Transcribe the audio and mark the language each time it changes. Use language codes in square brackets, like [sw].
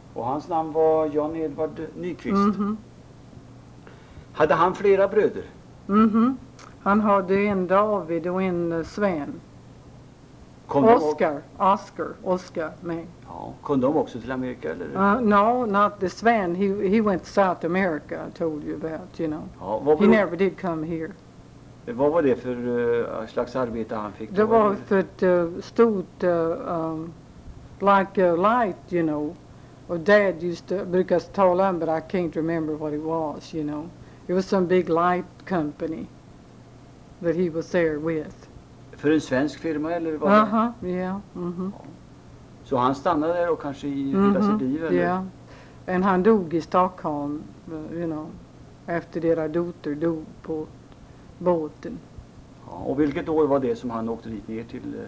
[sv] Och hans namn var Jan Edvard Nyqvist. Mm-hmm. Hade han flera bröder? Mm-hmm. Han hade en David och en Sven. Oscar med. Ja, kom de också till Amerika eller? [en] No, not the Sven. He went to South America, I told you about, you know. [sv] Ja, [en] he never did come here. [sv] Vad var det för slags arbete han fick? Det var för ett stort, [en] like a light, you know. Och dad used to, [sv] brukade tala om, [en] but I can't remember what it was, you know. It was some big light company that he was there with. [sv] För en svensk firma eller vad? [en] Uh-huh, yeah, mm-hmm. [sv] Så han stannade där och kanske i hela mm-hmm, sitt liv? Ja, yeah. Han dog i Stockholm, [en] you know, [sv] efter deras dotter dog på båten. Ja, och vilket år var det som han åkte dit ner till?